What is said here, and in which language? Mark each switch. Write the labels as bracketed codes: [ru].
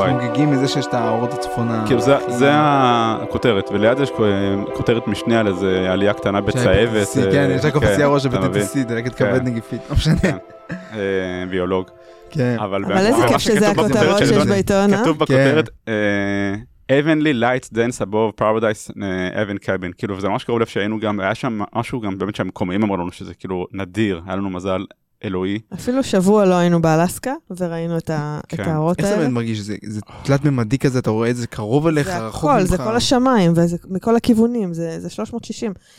[he] אתם מפוגגים מזה שיש את האורות הצפונה. כאילו, זה הכותרת, וליד יש כותרת משנה על איזה עלייה קטנה בצהבת. כן, יש לך פסיעה ראש בטטסי, דלקת כבד נגיפית, לא משנה. ביולוג. אבל איזה כיף שזה הכותרות שיש בעיתון, אה? [en] כתוב בכותרת, Heavenly Lights Dance Above Paradise Heaven Cabin. [he] כאילו, וזה ממש קרוב לב שהיינו גם, היה שם משהו גם, באמת שהמקומיים אמרו לנו שזה כאילו נדיר, היה לנו מזל אלוהי. אפילו שבוע לא היינו באלסקה, וראינו את האורות האלה. איך זה מרגיש? זה תלת ממדי כזה, אתה רואה את זה קרוב אליך, רחוק ממך. זה הכל, זה כל השמיים, ומכל הכיוונים, זה 360.